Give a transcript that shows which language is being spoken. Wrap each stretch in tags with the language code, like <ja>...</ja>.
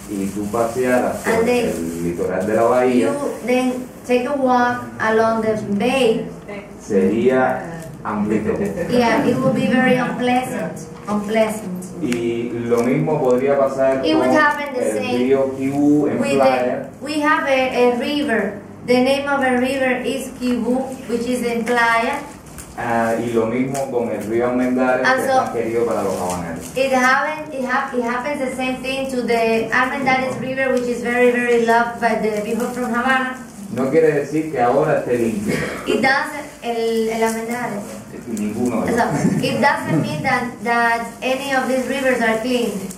<es>Y tú pasearas por el litoral de la bahía.</es> <en>You then take a walk along the bay.</en> <es>Sería</es> <en>unpleasant. Yeah, it would be very unpleasant. Unpleasant.</en> <es>Y lo mismo podría pasar con el río Kivu en Playa.</es> <en>We have a river. The name of a river is Kivu, which is in Playa.</en> <es>Y lo mismo con el río Almendares, que es más querido para los habaneros.</es> <en>It happens the same thing to the Almendares River, which is very, very loved by the people from Havana.</en> <es>No quiere decir que ahora esté limpio.</es> <en>It doesn't, el Almendares.</en> <es>Ninguno de ellos.</es> <en>It doesn't mean that any of these rivers are clean.</en>